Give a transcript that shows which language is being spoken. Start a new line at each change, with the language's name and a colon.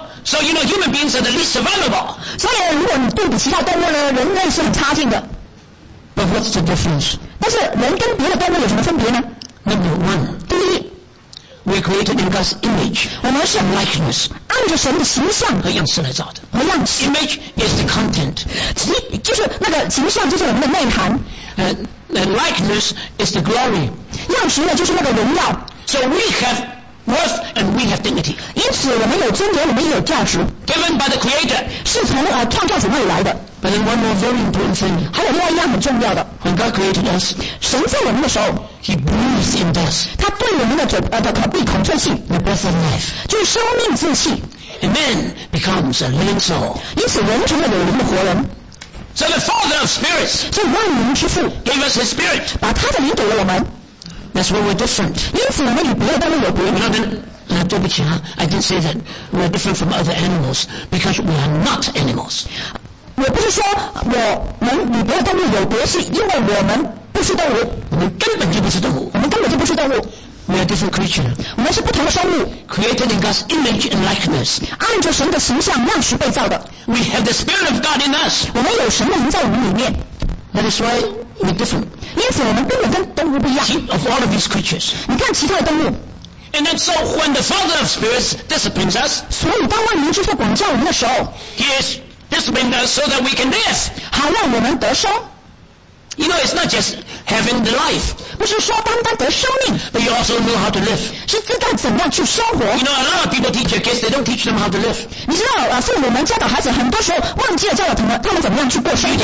English: So you know human beings are the least survivable.
Chinese: 所以如果你对比其他动物呢，人类是很差劲的。
English: But what's the difference?
Chinese: 但是人跟别的动物有什么分别呢
English: ？Number one.
Chinese: 第一
English: ，We created in God's image.
Chinese: 我们是
English: likeness.
Chinese: 按着神的形象和样式来造的。和样式。
English: Image is the content.
Chinese: 就是那个形象就是我们的内涵。
English: Likeness is the glory.
Chinese: 样式呢就是那个荣耀。
English: So we have. Worth and we have dignity.
Chinese: 因此我们有尊严，我们也有价值。
English: Given by the Creator.
Chinese: 是从创造主那里来的。
English: But then one more very important thing.
Chinese: 还有另外一样很重要的。
English: When God created us.
Chinese: 神造我们的时候。
English: He breathes in us.
Chinese: 他对我们的嘴鼻孔吹气。
English: The breath of life.
Chinese: 就是生命之气。
English: And man becomes a living soul.
Chinese: 因此人成了有灵的活人。
English: So the Father of spirits.
Chinese: 这万灵之父。
English: Gave us His Spirit.
Chinese: 把他的灵给了我们。
English: That's why we're different.
Chinese: 因此我们与别的动物有别。
English: No, no, no.
Chinese: 对不起啊
English: ，I didn't say that. We're different from other animals because we are not animals.
Chinese: 我不是说我们与别的动物有别，是因为我们不是动物。我们根本就不是动物。我们根本就不是动物。
English: We are different creatures.
Chinese: 我们是不同的生物。
English: Created in God's image and likeness.
Chinese: 按着神的形象样式被造的。
English: We have the Spirit of God in us.
Chinese: 我们有神的灵在我们里面。
English: That is why we're different.
Chinese: 因此我们根本跟动物不一样。
English: Of all of these creatures.
Chinese: 你看其他的动物。
English: And then so when the Father of spirits disciplines us.
Chinese: 所以当万民之父管教我们的时候。
English: He is disciplining us so that we can live.
Chinese: 好让我们得生。
English: You know, it's not just having the life.
Chinese: 不是说单单得生命。
English: But you also know how to live.
Chinese: 是知道怎样去生活。
English: You know, a lot of people teach their kids, they don't teach them how to live.
Chinese: 你知道，父母们教导孩子，很多时候忘记了教导他们怎么样去过生活。